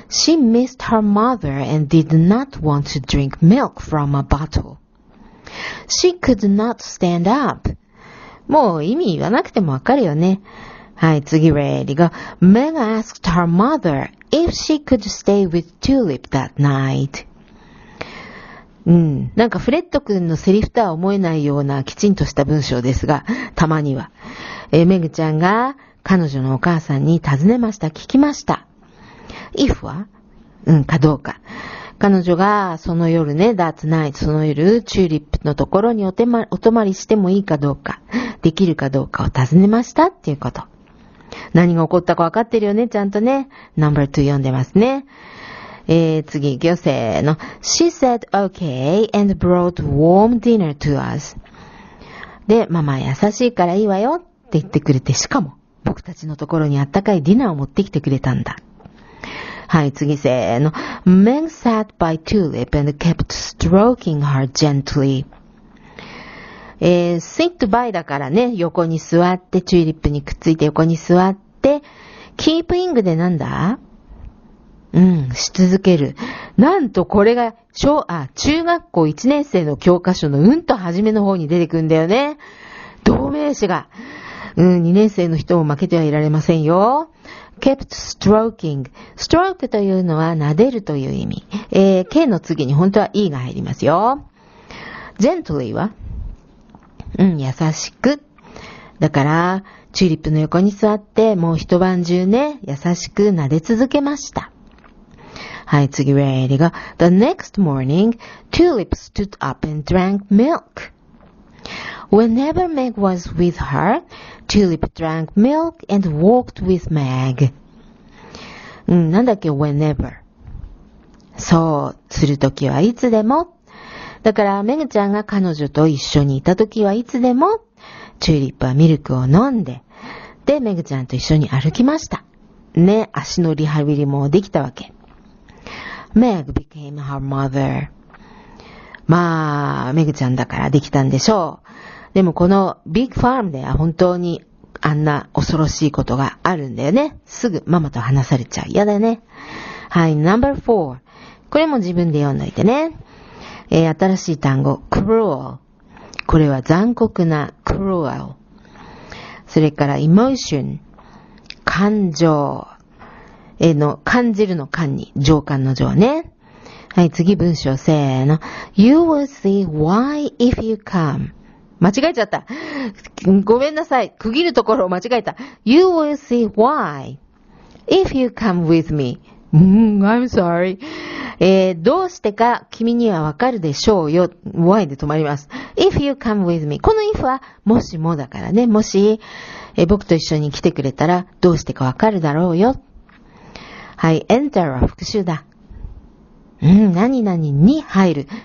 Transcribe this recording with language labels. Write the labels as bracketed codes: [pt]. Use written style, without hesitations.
[en] She missed her mother and did not want to drink milk from a bottle. She could not stand up. [ja] もう意味言わなくてもわかるよね。はい、次、 [en] ready go. Meg asked her mother if she could stay with Tulip that night. [ja] うん。なんか、フレッド君のセリフとは思えないようなきちんとした文章ですが、たまには。 Meg ちゃんが彼女のお母さんに尋ねました。聞きました。if は？うん、かどうか。彼女がその夜ね、 [en] that night、 [ja] その夜、チューリップのところにお泊まりしてもいいかどうか、できるかどうかを尋ねましたっていうこと。何が起こったか分かってるよね、ちゃんとね。 Number 2読んでますね。次行くよ、せーの。 [en] She said okay and brought warm dinner to us. [ja] で、ママ優しいからいいわよって言ってくれて、しかも僕たちのところにあったかいディナーを持ってきてくれたんだ。はい、次せーの。 [en] Meg sat by Tulip and kept stroking her gently. sit by [ja] だからね、横に座って、チューリップにくっついて横に座って、keep ing でなんだ？うん、し続ける。なんとこれが、中学校1年生の教科書のうんと初めの方に出てくんだよね。同名詞が。うん、2年生の人も負けてはいられませんよ。 [en] kept stroking. stroke [ja] というのは撫でるという意味。 k の次に本当は e が入りますよ。 gently は？うん、優しく。だから、チューリップの横に座って、もう一晩中ね、優しく撫で続けました。はい、次、 [en] ready go. The next morning, Tulip stood up and drank milk. Whenever Meg was with her, Tulip drank milk and walked with Meg. [ja] なんだっけ whenever。そう、するときはいつでも。だから、メグちゃんが彼女と一緒にいたときはいつでも、チューリップはミルクを飲んで、で、メグちゃんと一緒に歩きました。ね、足のリハビリもできたわけ。 [en] Meg became her mother. [ja] まあ、メグちゃんだからできたんでしょう。でもこのビッグファームでは本当にあんな恐ろしいことがあるんだよね。すぐママと話されちゃう。嫌だよね。はい、 [en] number four。 [ja] これも自分で読んどいてね。新しい単語、cruel。これは残酷な cruel。それから emotion。感情。の、感じるの感に、情感の情ね。はい、次文章、せーの。 [en] You will see why if you come. [ja] 間違えちゃった。ごめんなさい。区切るところを間違えた。 [en] You will see why if you come with me. I'm sorry. [ja] どうしてか君にはわかるでしょうよ。 [en] Why [ja] で止まります。 [en] If you come with me. [ja] この if は、もしもだからね。もし、僕と一緒に来てくれたら、どうしてかわかるだろうよ。はい、enter は復讐だ。何々に入る。